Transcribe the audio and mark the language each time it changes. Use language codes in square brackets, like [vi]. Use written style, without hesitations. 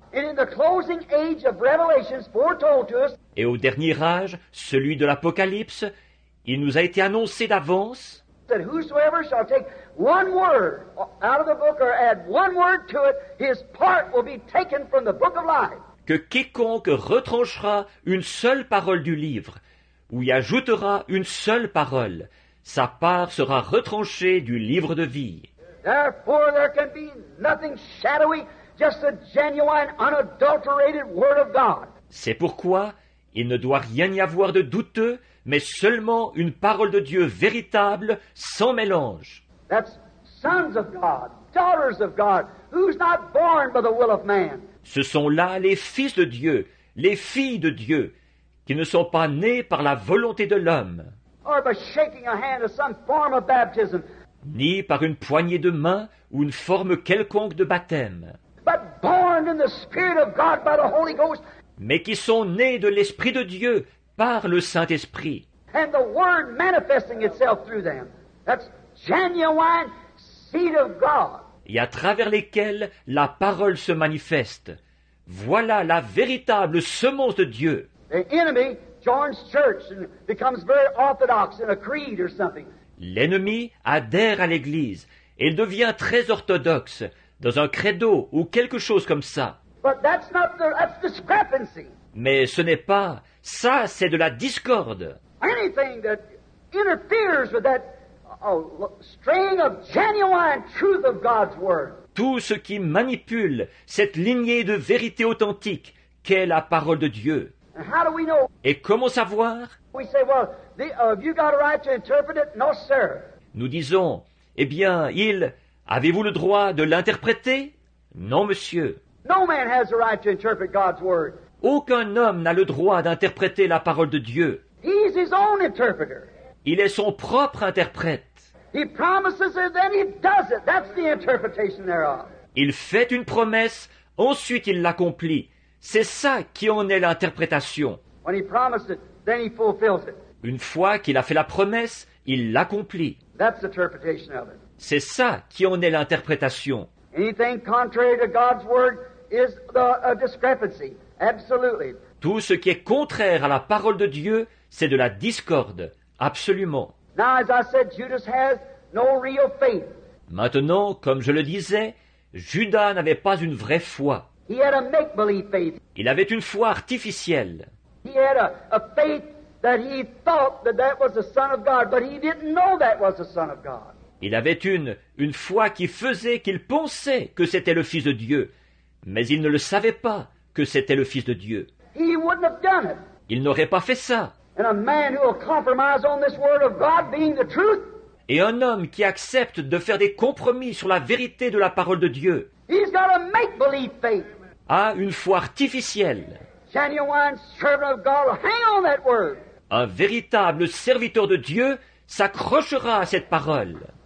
[en] And in the closing age of Revelations foretold to us, [fr] et au dernier âge, celui de l'Apocalypse, il nous a été annoncé d'avance [en] that whosoever shall take one word out of the book or add one word to it, his part will be taken from the book of life. [fr] Que quiconque retranchera une seule parole du livre ou y ajoutera une seule parole, sa part sera retranchée du livre de vie. [en] Therefore, there can be nothing shadowy just the genuine, unadulterated word of God. [fr] C'est pourquoi il ne doit rien y avoir de douteux, mais seulement une parole de Dieu véritable, sans mélange. [en] That's sons of God, daughters of God, who's not born by the will of man. [fr] Ce sont là les fils de Dieu, les filles de Dieu, qui ne sont pas nés par la volonté de l'homme. [en] Or by shaking a hand or some form of baptism. [fr] Ni par une poignée de main ou une forme quelconque de baptême. [en] But born in the Spirit of God by the Holy Ghost. [fr] Mais qui sont nés de l'Esprit de Dieu par le Saint-Esprit. [en] And the Word manifesting itself through them. That's genuine seed of God. [fr] Et à travers lesquels la parole se manifeste. Voilà la véritable semence de Dieu. [en] The enemy joins church and becomes very orthodox in a creed or something. [fr] L'ennemi adhère à l'Église et il devient très orthodoxe dans un credo ou quelque chose comme ça. [en] But that's not the, that's discrepancy. [fr] Mais ce n'est pas ça, c'est de la discorde. [en] Anything that interferes with that string of genuine truth of God's word. [fr] Tout ce qui manipule cette lignée de vérité authentique qu'est la parole de Dieu. [en] And how do we know? [fr] Et comment savoir? [en] We say, well, have you got a right to interpret it? No, sir. [fr] Nous disons, eh bien, avez-vous le droit de l'interpréter? Non, monsieur. [en] No man has the right to interpret God's word. [fr] Aucun homme n'a le droit d'interpréter la parole de Dieu. [en] He's his own interpreter. [fr] Il est son propre interprète. [en] He promises it, then he does it. That's the interpretation thereof. [fr] Il fait une promesse, ensuite il l'accomplit. C'est ça qui en est l'interprétation. [en] When he promises it, then he fulfills it. [fr] Une fois qu'il a fait la promesse, il l'accomplit. [en] That's the interpretation of it. [fr] C'est ça qui en est l'interprétation. [en] Anything contrary to God's word is a discrepancy. Absolutely. [fr] Tout ce qui est contraire à la parole de Dieu, c'est de la discorde. Absolument. [en] Now, as I said, Judas has no real faith. [fr] Maintenant, comme je le disais, Judas n'avait pas une vraie foi. [en] He had a make-believe faith. [fr] Il avait une foi artificielle. [en] He had a faith that he thought that that was the Son of God, but he didn't know that was the Son of God. [fr] Il avait une foi qui faisait qu'il pensait que c'était le Fils de Dieu, mais il ne le savait pas que c'était le Fils de Dieu. [en] He wouldn't have done it. [fr] Il n'aurait pas fait ça. [en] And a man who will compromise on this word of God being the truth. [fr] Et un homme qui accepte de faire des compromis sur la vérité de la parole de Dieu. [en] He's got a make-believe faith. [fr] A une foi artificielle. [en] Genuine servant of God will hang on that word. [fr] Un véritable serviteur de Dieu s'accrochera à cette parole.